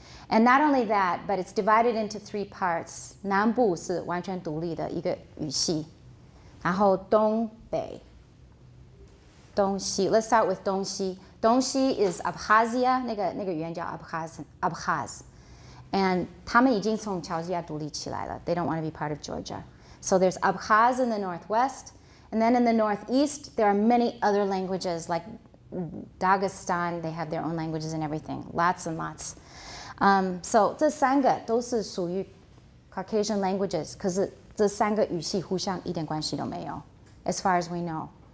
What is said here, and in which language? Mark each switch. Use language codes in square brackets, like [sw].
[en] And not only that, but it's divided into three parts. [zh] 南部是完全独立的一个语系, 然后东北, 东西. [en] Let's start with 东西.东西 is Abkhazia, [zh] 那个语言叫 [en] Abkhaz. [zh] And 他们已经从乔治亚独立起来了. [en] They don't want to be part of Georgia. So there's Abkhaz in the northwest. And then in the northeast, there are many other languages, like Dagestan, they have their own languages and everything. Lots and lots. So [zh] 这三个都是属于 [en] Caucasian languages, [zh] 可是这三个语系互相一点关系都没有, [en] as far as we know.